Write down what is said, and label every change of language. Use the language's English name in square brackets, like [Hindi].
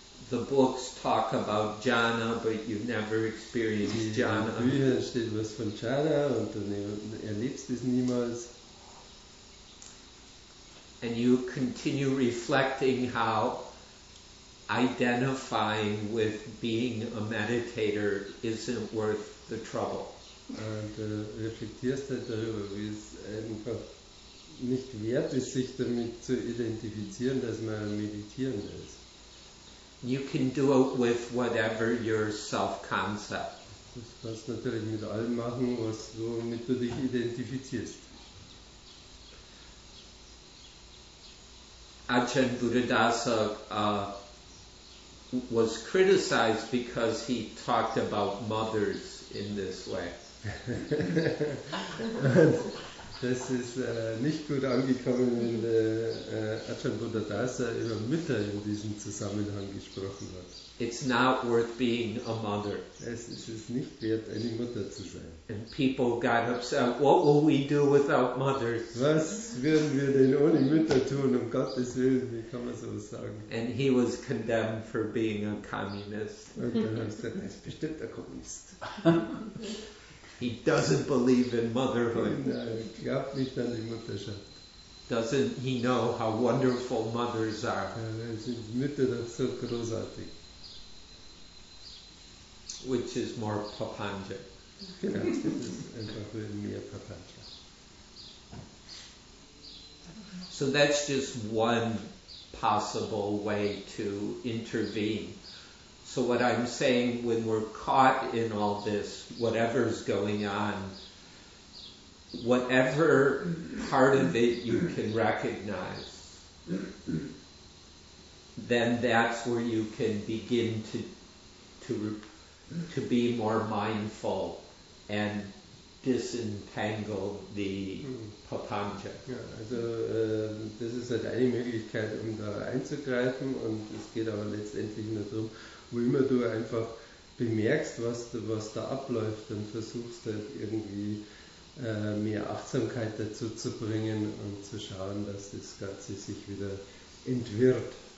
[English] The books talk about jhana, but you've never experienced jhana. [German] In den Büchern steht was von jhana und du erlebst es niemals. [English] And you continue reflecting how identifying with being a meditator isn't worth the trouble. [German] Und reflektierst halt darüber, wie es einfach nicht wert ist, sich damit zu identifizieren, dass man meditieren ist. [English] You can do it with whatever your self-concept. [German] Das kannst du natürlich mit allem machen, womit du dich identifizierst. [English] Ajahn Buddhadasa was criticized because he talked about mothers in this way. [German] Das ist nicht gut angekommen, wenn Ajahn Buddhadasa über Mütter in diesem Zusammenhang gesprochen hat. [English] It's not worth being a mother. [German] Es ist nicht wert, eine Mutter zu sein. [English] And people got upset. What will we do without mothers? [German] Was würden wir denn ohne Mütter tun? Um Gottes Willen, wie kann man sowas sagen? [English] And he was condemned for being a communist. [German] Und dann habe ich gesagt, er ist bestimmt ein Kommunist. [English] He doesn't believe in motherhood. [German] Er glaubt nicht an die Mutterschaft. [English] Doesn't he know how wonderful mothers are? [German] Sind Mütter doch so großartig. [English] Which is more Papanja. [German] Genau, das ist einfach mehr Papanja. [English] So that's just one possible way to intervene. So what I'm saying, when we're caught in all this, whatever's going on, whatever part of it you can recognize, then that's where you can begin to be more mindful and disentangle the papanja. [German] Ja, also das ist halt eine Möglichkeit, um da einzugreifen, und es geht aber letztendlich nur darum, wo immer du einfach bemerkst, was da abläuft, dann versuchst halt irgendwie mehr Achtsamkeit dazu zu bringen und zu schauen, dass das Ganze sich wieder entwirrt.